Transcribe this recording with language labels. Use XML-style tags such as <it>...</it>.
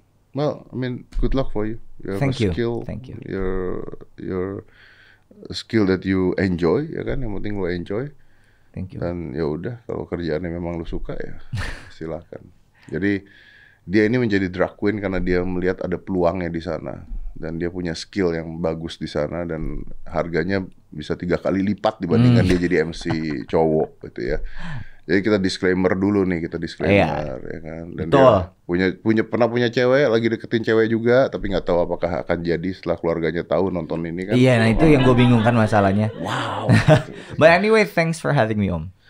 <en>Well, I mean, good luck for you. You have Thank you. Thank you. Your skill that you enjoy, ya kan?</en> <id>Yang penting lu enjoy.</id> <en>Thank you.</en> <id>Dan ya udah, kalau kerjaannya memang lu suka ya, silakan. Jadi dia ini menjadi drag queen karena dia melihat ada peluangnya di sana. Dan dia punya skill yang bagus di sana dan harganya bisa 3 kali lipat dibandingkan dia jadi MC cowok gitu ya. Jadi kita disclaimer dulu nih, kita disclaimer ya kan. Dan betul. Dia pernah punya cewek, lagi deketin cewek juga, tapi enggak tahu apakah akan jadi setelah keluarganya tahu nonton ini kan. Iya, nah itu yang gue bingung kan masalahnya. Wow.</id> <en>But anyway, thanks for having me, Om.</en>